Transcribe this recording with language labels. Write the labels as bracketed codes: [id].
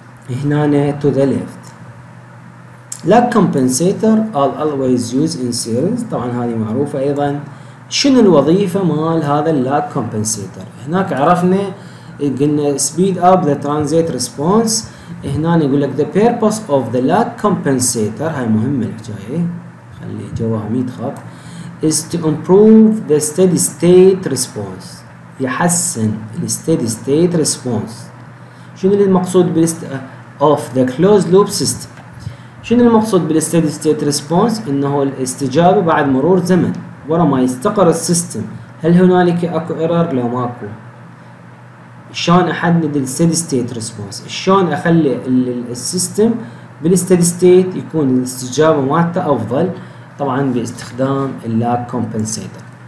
[en] هنا to the left. Lag compensator are always used in series. [ar] طبعا هذه معروفة أيضا. شنو الوظيفة مال هذا lag compensator؟ هناك عرفنا قلنا [en] speed up the transient response. [ar] هنا يقول لك [en] the purpose of the lag compensator. [ar] هاي مهمة الحكاية. خلي جواها 100 خط. [en] is to improve the steady state response. [ar] يحسن [en] the steady state response. [ar] شنو المقصود بالست [en] of the closed loop system؟ [ar] شنو المقصود بالsteady state response؟ إنه الاستجابة بعد مرور زمن ورا ما يستقر السيستم. هل هنالك أكو error؟ لو ماكو. شلون أحدد steady state response؟ شلون أخلي السيستم بالsteady state يكون الاستجابة مالته أفضل؟ طبعا باستخدام اللاج كومبنسيتر.